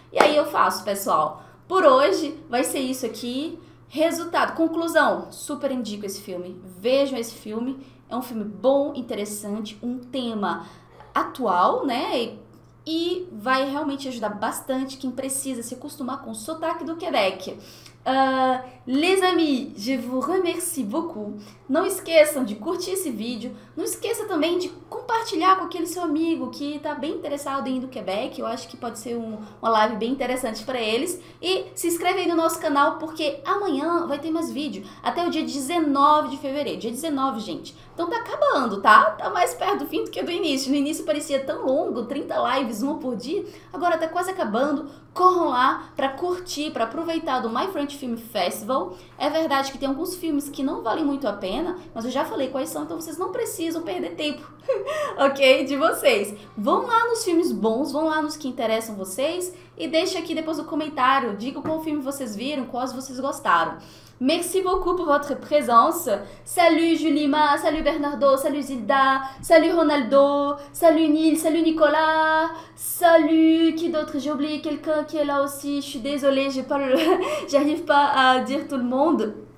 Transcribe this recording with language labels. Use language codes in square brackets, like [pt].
[pt] E aí eu faço, pessoal. Por hoje vai ser isso aqui. Resultado, conclusão, super indico esse filme. Vejam esse filme, é um filme bom, interessante, um tema atual, né? E vai realmente ajudar bastante quem precisa se acostumar com o sotaque do Quebec. [fr] Les amis, je vous remercie beaucoup. [pt] Não esqueçam de curtir esse vídeo. Não esqueça também de compartilhar com aquele seu amigo que está bem interessado em ir do Quebec. Eu acho que pode ser uma live bem interessante para eles. E se inscreve aí no nosso canal, porque amanhã vai ter mais vídeo. Até o dia 19 de fevereiro. Dia 19, gente. Então tá acabando, tá? Tá mais perto do fim do que do início. No início parecia tão longo, 30 lives, uma por dia. Agora tá quase acabando. Corram lá para curtir, para aproveitar do My French Film Festival. É verdade que tem alguns filmes que não valem muito a pena, mas eu já falei quais são, então vocês não precisam perder tempo, ok? De vocês. Vão lá nos filmes bons, vão lá nos que interessam vocês e deixem aqui depois o comentário. Diga qual filme vocês viram, quais vocês gostaram. [fr] Merci beaucoup pour votre présence. Salut Julima, salut Bernardo, salut Zilda, salut Ronaldo, salut Neil, salut Nicolas, salut, qui d'autre? J'ai oublié quelqu'un qui est là aussi. Je suis désolée, j'arrive pas à dire tout le monde.